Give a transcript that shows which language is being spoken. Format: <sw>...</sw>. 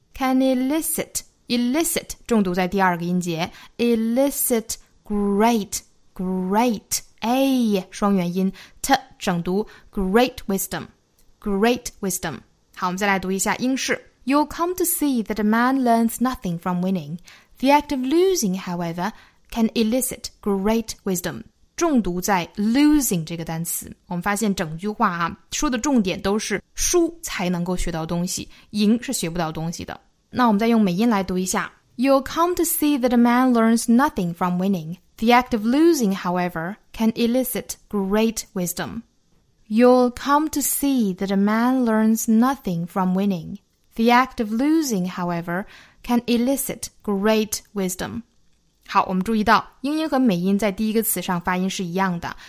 <en>Can elicit, elicit,</en> <zh>重读在第二个音节。</zh> <en>Elicit great, great, a</en> <zh>双元音</zh> <en>t</en> <zh>整读</zh> <en>great wisdom, great wisdom.</en> <zh>好，我们再来读一下英式。</zh> <en>You'll come to see that a man learns nothing from winning. The act of losing, however, can elicit great wisdom.</en> <zh>重读在 losing 这个单词，我们发现整句话啊说的重点都是输才能够学到东西，赢是学不到东西的。那我们再用美音来读一下。</zh> <en>You'll come to see that a man learns nothing from winning. The act of losing, however, can elicit great wisdom. You'll come to see that a man learns nothing from winning. The act of losing, however, can elicit great wisdom.</en> <zh>好，我们注意到英音和美音在第一个词上发音是一样的。</zh>